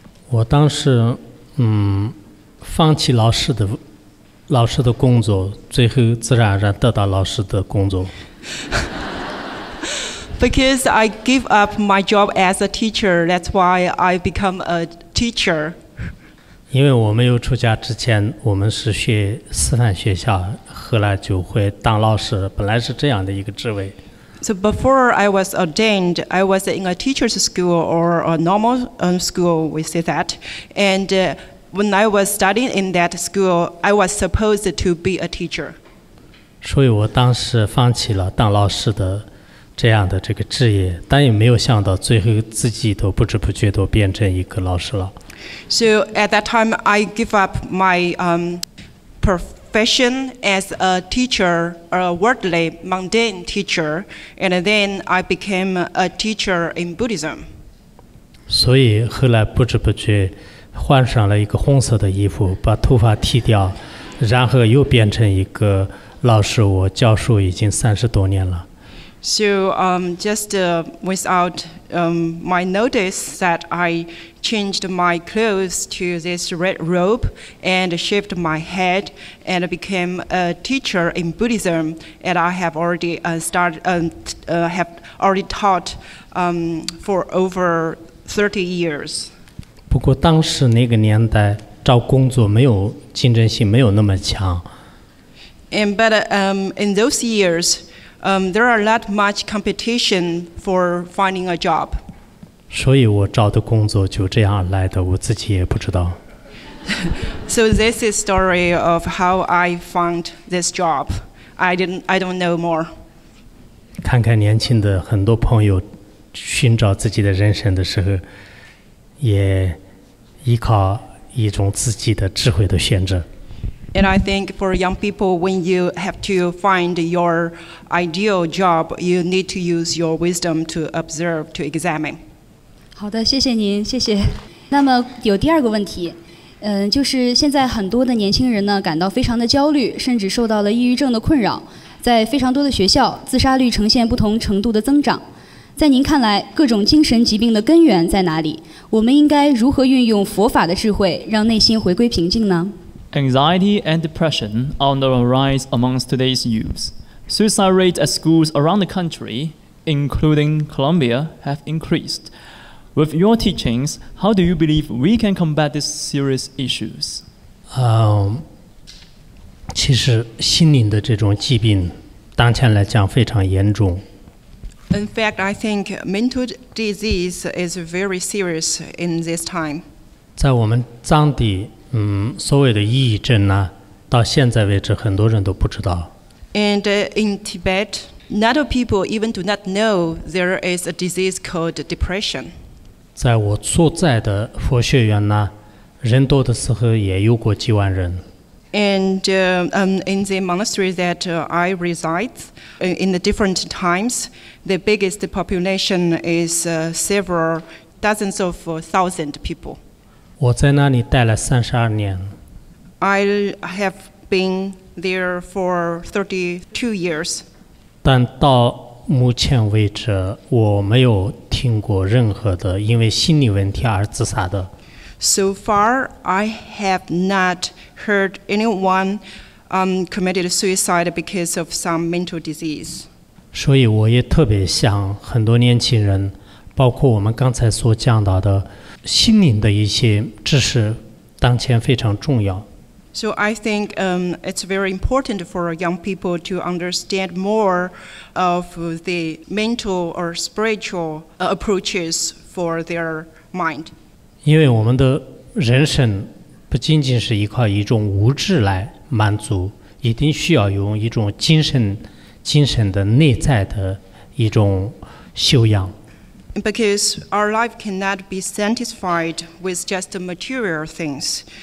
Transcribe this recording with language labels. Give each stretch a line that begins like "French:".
Chinese: 我当时放弃老师的工作，最后自然而然得到老师的工作。
English: Because I give up my job as a teacher, that's why I become a teacher.
Chinese: 因为我没有出家之前，我们是学师范学校，后来就会当老师，本来是这样的一个职位。
English: So before I was ordained, I was in a teacher's school or a normal school, we say that. And when I was studying in that school, I was supposed to be a teacher.
Chinese: 所以我当时放弃了当老师的这样的这个职业，但也没有想到最后自己都不知不觉都变成一个老师了。
English: So at that time, I give up my profession as a teacher, a worldly, mundane teacher, and then I became a teacher in Buddhism.
Chinese: 所以后来不知不觉换上了一个红色的衣服，把头发剃掉，然后又变成一个老师。我教书已经30多年了。
English: So just without my notice that I changed my clothes to this red robe and shaved my head and became a teacher in Buddhism, and I have already taught for over 30 years.
Chinese: 不过当时那个年代找工作没有竞争性，没有那么强。
English: And but in those years,there are not much competition for finding a job.
Chinese: 所以我找的工作就这样来的，我自己也不知道。
English: So this is story of how I found this job. I don't know more.
Chinese: 看看年轻的很多朋友寻找自己的人生的时候，也依靠一种自己的智慧的限制。
English: And I think for young people, when you have to find your ideal job, you need to use your wisdom to observe, to examine.
Chinese: 好的，谢谢您，谢谢。那么有第二个问题，就是现在很多的年轻人呢，感到非常的焦虑，甚至受到了抑郁症的困扰，在非常多的学校，自杀率呈现不同程度的增长。在您看来，各种精神疾病的根源在哪里？我们应该如何运用佛法的智慧，让内心回归平静呢？
English: Anxiety and depression are on the rise amongst today's youth. Suicide rates at schools around the country, including Colombia, have increased. With your teachings, how do you believe we can combat these serious issues?
Chinese: 其实心灵的这种疾病，当前来讲非常严重。
English: In fact, I think mental disease is very serious in this time.
Chinese: 在我们藏地所谓的抑郁症呢，到现在为止很多人都不知道。
English: And in Tibet, not a people even do not know there is a disease called depression.
Chinese: 在我所在的佛学院呢，人多的时候也有过几万人。
English: And in the monastery that I reside, in the different times, the biggest population is several dozens of thousand people.
Chinese: 我在那里待了32年。
English: I have been there for 32 years.
Chinese: 但到目前为止我没有听过任何的因为心理问题而自杀的。
English: So far, I have not heard anyone committed suicide because of some mental disease.
Chinese: 所以我也特别想很多年轻人，包括我们刚才所讲到的心灵的一些知识，当前非常重要。
English: So I think it's very important for young people to understand more of the mental or spiritual approaches for their mind.
Chinese: 因为我们的人生不仅仅是依靠一种物质来满足，一定需要用一种精神的内在的一种修养。
English: Because our life cannot be satisfied with just the material things.